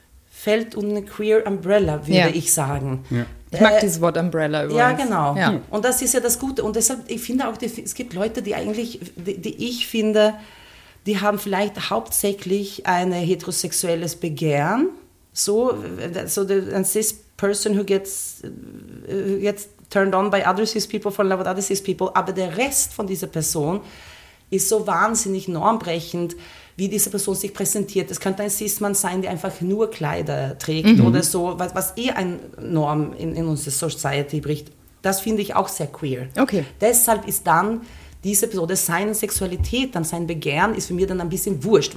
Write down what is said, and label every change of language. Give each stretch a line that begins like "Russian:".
German: Fällt unter eine queer Umbrella, würde ich sagen. Ja. Ich mag dieses Wort Umbrella übrigens. Ja, genau. Ja. Und das ist ja das Gute. Und deshalb, ich finde auch, es gibt Leute, die eigentlich, die ich finde, die haben vielleicht hauptsächlich ein heterosexuelles Begehren.
English: Ein cis person who gets turned on by other cis people, fall in love with other cis people.
German: Aber der Rest von dieser Person ist so wahnsinnig normbrechend, wie diese Person sich präsentiert. Es könnte ein Cis-Mann sein, der einfach nur Kleider trägt oder so, was eh ein Norm in unserer Society bricht. Das finde ich auch sehr queer. Okay. Deshalb ist dann diese Person, seine Sexualität, dann sein Begehren, ist für mich dann ein bisschen wurscht.